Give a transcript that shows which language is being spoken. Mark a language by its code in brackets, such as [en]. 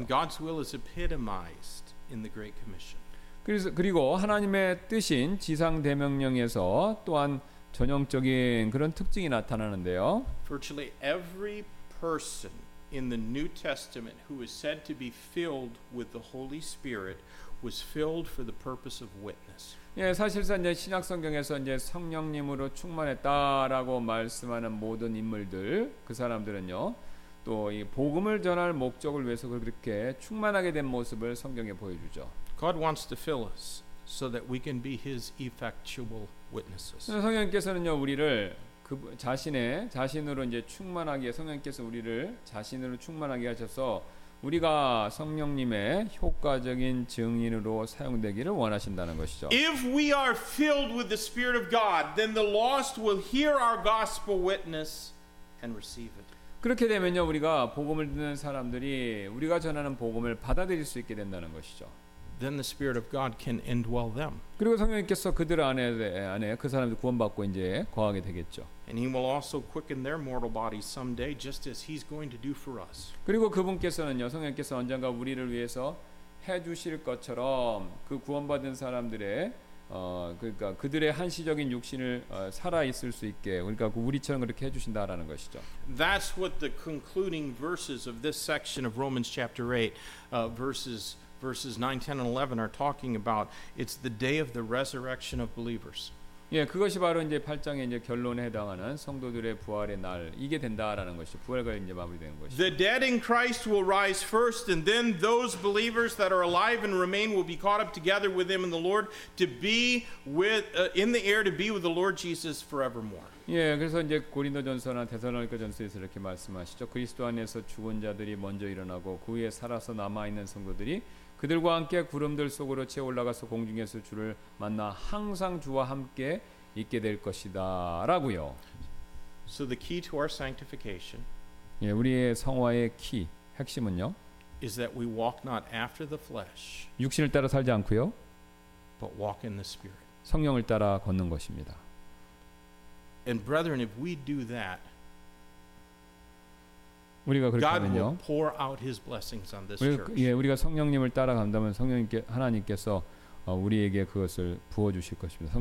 [en] And God's will is epitomized in the Great Commission. [ko] 그리고 하나님의 뜻인 지상 대명령에서 또한 전형적인 그런 특징이 나타나는데요. [en] Virtually every person in the New Testament who is said to be filled with the Holy Spirit was filled for the purpose of witness. [ko] 예, 사실상 이제 신약 성경에서 이제 성령님으로 충만했다라고 말씀하는 모든 인물들, 그 사람들은요, 또 이 복음을 전할 목적을 위해서 그렇게 충만하게 된 모습을 성경에 보여주죠. [en] God wants to fill us so that we can be His effectual witnesses. [ko] 성령께서는요, 우리를 자신으로 이제 충만하게 성령께서 우리를 자신으로 충만하게 하셔서 우리가 성령님의 효과적인 증인으로 사용되기를 원하신다는 것이죠. [en] If we are filled with the Spirit of God, then the lost will hear our gospel witness and receive it. [ko] 그렇게 되면요, 우리가 복음을 듣는 사람들이 우리가 전하는 복음을 받아들일 수 있게 된다는 것이죠. [en] Then the Spirit of God can indwell them. [ko] 그리고 성령님께서 그들 안에 그 사람들 구원받고 이제 거하게 되겠죠. [en] And He will also quicken their mortal bodies someday, just as He's going to do for us. [ko] 그리고 그분께서는요, 성령께서 언젠가 우리를 위해서 해 주실 것처럼 그 구원받은 사람들의 그러니까 그들의 한시적인 육신을 살아 있을 수 있게 그러니까 우리처럼 그렇게 해 주신다라는 것이죠. [en] That's what the concluding verses of this section of Romans chapter 8 verses 9, 10, and 11 are talking about. It's the day of the resurrection of believers. [ko] 예, 그것이 바로 이제 8장의 이제 결론에 해당하는 성도들의 부활의 날 이게 된다라는 것이 부활과 이제 마무리되는 것이. [en] The dead in Christ will rise first, and then those believers that are alive and remain will be caught up together with them in the Lord to be with in the air to be with the Lord Jesus forevermore. [ko] 예, 그래서 이제 고린도전서나 데살로니가전서에서 이렇게 말씀하시죠. 그리스도 안에서 죽은 자들이 먼저 일어나고 그 후에 살아서 남아 있는 성도들이 그들과 함께 구름들 속으로 채 올라가서 공중에서 주를 만나 항상 주와 함께 있게 될 것이다라고요. [en] So the key to our sanctification. [ko] 예, 우리의 성화의 키 핵심은요. [en] Is that we walk not after the flesh. [ko] 육신을 따라 살지 않고요. [en] But walk in the Spirit. [ko] 성령을 따라 걷는 것입니다. [en] And brethren, if we do that, [ko] 우리가 그렇게 하면요. [en] God will pour out His blessings on this church. [ko] 예, 우리가 성령님을 따라간다면 성령님께 하나님께서 우리에게 그것을 부어 주실 것입니다.